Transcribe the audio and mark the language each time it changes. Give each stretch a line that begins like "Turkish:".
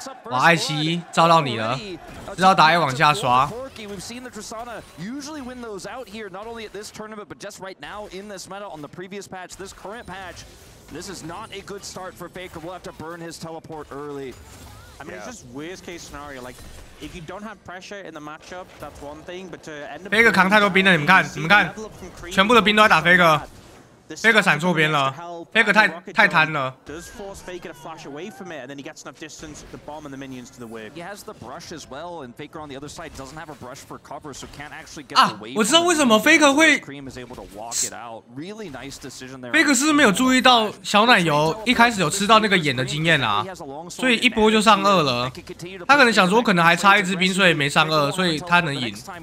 Chinese: 哇，艾希照到你了，知道打野往下刷。
English: We've seen the Tristana usually win those out here, not only at this tournament, but just right now in this meta on the previous patch, this current patch. This is not a good start for Faker. We'll have to burn his teleport early. I mean, it's just worst case scenario. Like, if you don't have pressure in the matchup, that's one thing. But to end up
Chinese: Faker 扛太多兵了，你们看，全部的兵都在打 Faker。 Faker 闪错边了 ，Faker 太贪了。
English: Does force Faker to flash away from it, and then he gets enough distance to bomb and the minions to the wave. He has the brush as well, and Faker on the other side doesn't have a brush for cover, so can't actually get the wave.
Chinese: 我知道为什么 Faker 会。
English: Cream is able to walk it out. Really nice decision there.
Chinese: Faker 是不是没有注意到小奶油一开始有吃到那个眼的经验啊？所以一波就上二了。他可能想说，可能还差一支兵，所以没上二，所以他能赢。